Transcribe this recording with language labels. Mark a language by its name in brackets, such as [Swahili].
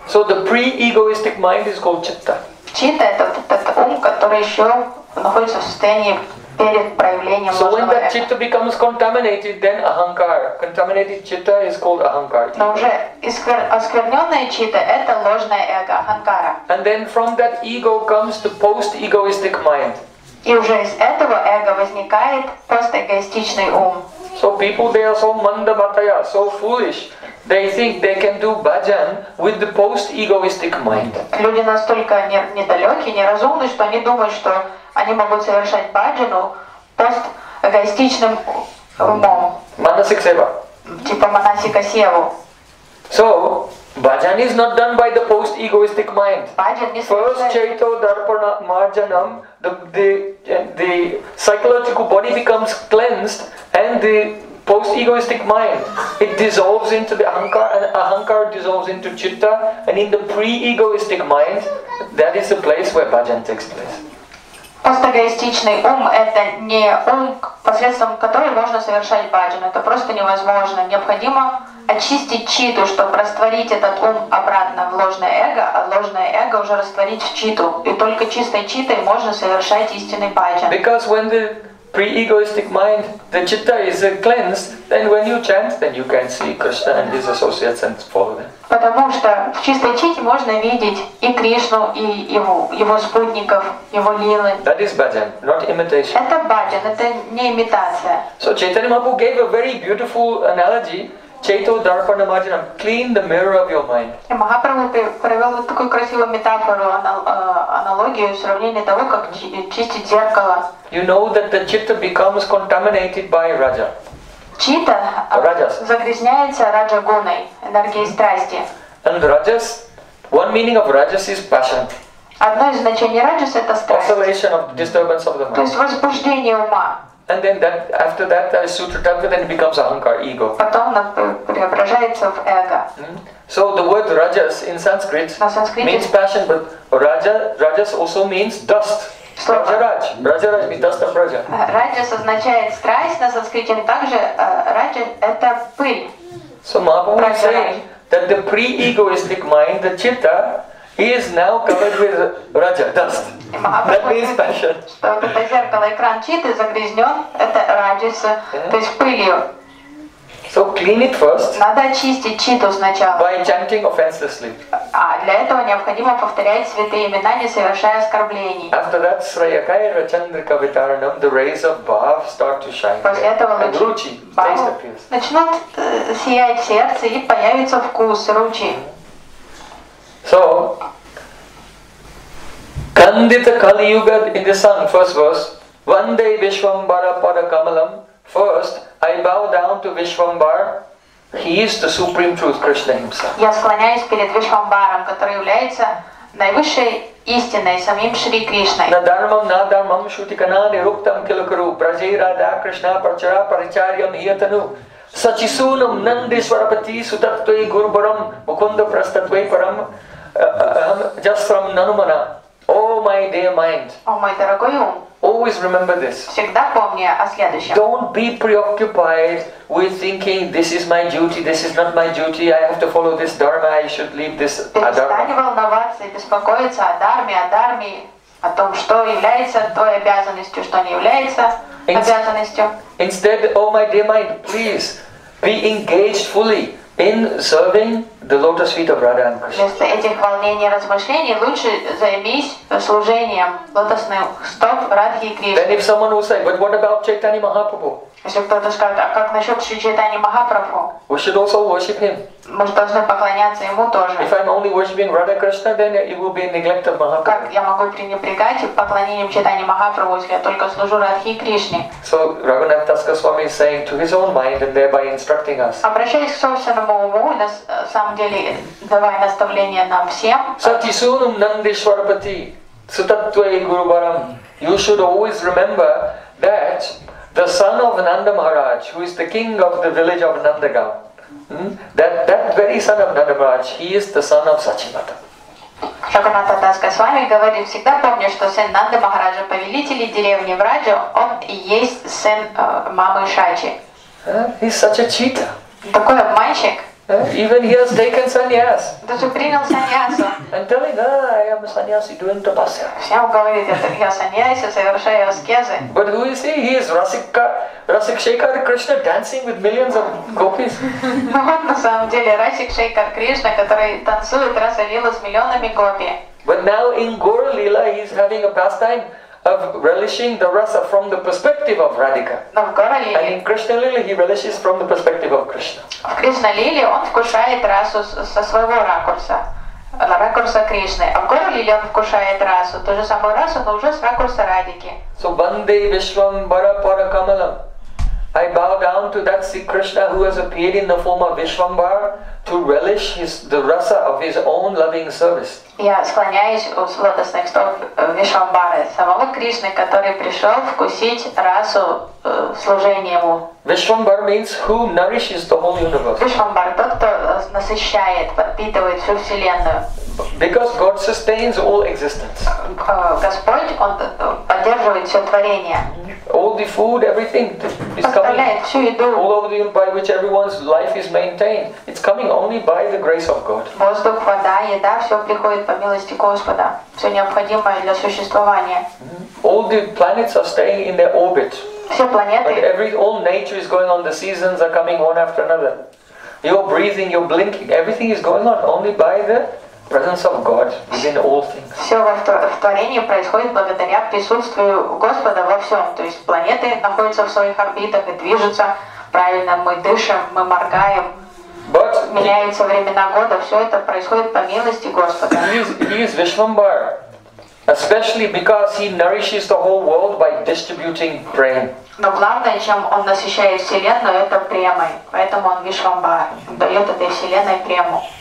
[English] So the pre-egoistic mind is called chitta. [Russian] Chitta – это тот ум, который еще находится в состоянии перед проявлением ложного эго. [English] So when that chitta becomes contaminated, then ahankara. Contaminated chitta is called ahankara. [Russian] Но уже оскверненное chitta – это ложное эго, ахангара. [English] And then from that ego comes the post-egoistic mind. [Russian] И уже из этого эго возникает просто эгоистичный ум. [English] So people, they are so mandamataya, so foolish. They think they can do bhajan with the post-egoistic mind. [Russian] Люди настолько недалеки, неразумны, что они думают, что они могут совершать бхаджану пост-эгоистичным умом. Манасик сева. Типа манасика севу. [English] So, bhajan is not done by the post-egoistic mind. First chaito darpana marjanam, the psychological body becomes cleansed and the post-egoistic mind, it dissolves into the ahankar and ahankar dissolves into chitta and in the pre-egoistic mind, that is the place where bhajan takes place. [Russian] Постэгоистичный ум – это не ум, посредством которого можно совершать бхаджан. Это просто невозможно. Необходимо очистить читу, чтобы растворить этот ум обратно в ложное эго, а ложное эго уже растворить в читу. И только чистой читой можно совершать истинный бхаджан. [English] Because when the pre-egoistic mind, the chitta is cleansed, then when you chant, then you can see Krishna and his associates and follow them. [Russian] Потому что в чистой чите можно видеть и Кришну, и его спутников, его лилы. [English] That is bhajan, not imitation. [Russian] Это bhajan, это не имитация. [English] So Chaitanya Mahaprabhu gave a very beautiful analogy. Chaito Dharpana Marjanam, clean the mirror of your mind. [Russian] И Махапрабху привел такую красивую метафору, аналогию, сравнение того, как чистить зеркало. [English] You know that the chitta becomes contaminated by raja. [Russian] Чита загрязняется раджа-гуной, энергией страсти. [English] And rajas, one meaning of rajas is passion. [Russian] Одно из значений раджаса – это страсть. [English] Oscillation of disturbance of the mind. [Russian] То есть возбуждение ума. [English] And then that after that sutra-tattva then it becomes ahankar, ego. [Russian] Потом она преображается в эго. [English] So the word rajas in Sanskrit means passion, but rajas also means dust. Rajaraj. Rajaraj means dust of raja. [Russian] Rajas означает страсть на санскрите, также раджа это пыль. [English] So Mahaprabhu is saying that the pre-egoistic mind, the chitta, he is now covered with raja, dust. That means passion. [Russian] Что это зеркало, экран читы загрязнен, это раджаса, то есть пылью. [English] So clean it first. [Russian] Надо очистить читу сначала. [English] By chanting offenselessly. [Russian] А для этого необходимо повторять святые имена, не совершая оскорблений. [English] After that, Srayakaya Rachandrika Vitaranam, the rays of Bhav start to shine. [Russian] После этого ручи, начнут сиять в сердце и появится вкус ручи. [English] So, Kandita Kali Yuga in the sun, first verse, Vande Vishvambara Para Kamalam, first, I bow down to Vishvambara, he is the Supreme Truth, Krishna himself. [Russian] Я склоняюсь перед Вишвамбаром, который является наивысшей истиной, самим Шри Кришной. Надармам, надармам, шутикана, нируктам, килокару, пражейра, да, Кришна, прачара, прачарьям, иятану. Сачисунам, нанди, сварапати, сутаттвей, гурбарам, мукунда, прастаттвей, парам. [English] Jasram Nanumana, oh my dear mind. Oh my [Russian] дорогой ум. [English] Always remember this. [Russian] Всегда помни о следующем. [English] Don't be preoccupied with thinking this is my duty, this is not my duty. I have to follow this dharma. I should leave this adharma. [Russian] Перестань волноваться и беспокоиться о дарме, о том, что является твоей обязанностью, что не является. обязанностью. [English] Instead, oh my dear mind, please be engaged fully in serving the lotus feet of Radha and Krishna. [Russian] Вместо этих волнений и размышлений лучше займись служением лотосных стоп Радхи и Кришны. [English] Then if someone will say, but what about Chaitanya Mahaprabhu? [Russian] Если кто-то скажет, а как насчет Шри Чайтани Махапрабху? [English] We should also worship him. [Russian] Мы должны поклоняться ему тоже. [English] If I'm only worshiping Radha Krishna, then it will be a neglect of Mahaprabhu. [Russian] Как я могу пренебрегать поклонением Чайтани Махапрабху, если я только служу Радхи и Кришне? [English] So Raghunath Das Goswami is saying to his own mind and thereby instructing us. [Russian] Обращаясь к собственному уму, на самом деле давая наставление нам всем. [Sanskrit] Сати сунум нандишварапати сутаттвей гурубарам. [English] You should always remember that the son of Nanda Maharaj, who is the king of the village of Nandagam, that very son of Nanda Maharaj, he is the son of Сачимата. [Russian] Шаганата Дас Госвами говорит, всегда помни, что сын Нанда Махараджа, повелитель деревни Враджа, он и есть сын мамы Шачи. [English] He's such a cheater. [Russian] Такой обманщик. [English] Even he has taken sannyas. [Russian] Даже принял саньясу. [English] And telling, I am a sannyasi doing tapasya. [Russian] Всем говорит, я саньяси, совершаю аскезы. [English] But who is he? He is Расикшекар Кришна dancing with millions of gopis. [Russian] Но вот на самом деле Расикшекар Кришна, который танцует Раса Лила с миллионами гопи. [English] But now in Gaura Lila he is having a pastime of relishing the rasa from the perspective of Radhika. [Russian] Но в Гора-лиле. [English] And in Krishna Lila he relishes from the perspective of Krishna. [Russian] В Кришна Лиле он вкушает расу со своего ракурса, на ракурса Кришны. А в Гора-лиле он вкушает расу, ту же самую расу, но уже с ракурса Радики. [English] So Vande Vishwam Varapara Kamalam. I bow down to that Sri Krishna who has appeared in the form of Vishwambar to relish the rasa of his own loving service. [Russian] Я склоняюсь у лотосных стоп Вишвамбары, самого Кришны, который пришел вкусить расу служения ему. [English] Vishwambar means who nourishes the whole universe. [Russian] Вишвамбар – тот, кто насыщает, подпитывает всю Вселенную. [English] Because God sustains all existence. [Russian] Господь, Он поддерживает все творение. [English] All the food, everything is coming. All over the world by which everyone's life is maintained. It's coming only by the grace of God. [Russian] Воздух, вода, еда, все приходит по милости Господа. Все необходимое для существования. All the planets are staying in their orbit. Все планеты. Like all nature is going on. The seasons are coming one after another. You're breathing, you're blinking. Everything is going on only by the presence of God within all things. Все в творении происходит благодаря присутствию Господа во всем. То есть планеты находятся в своих орбитах и движутся правильно. Мы дышим, мы моргаем. [English] But [Russian] меняются времена года. Все это происходит по милости Господа. [English] He is Vishwambar, especially because he nourishes the whole world by distributing prema. [Russian] Но главное, чем он насыщает вселенную, это премой. Поэтому он Вишвамбар, дает этой вселенной прему.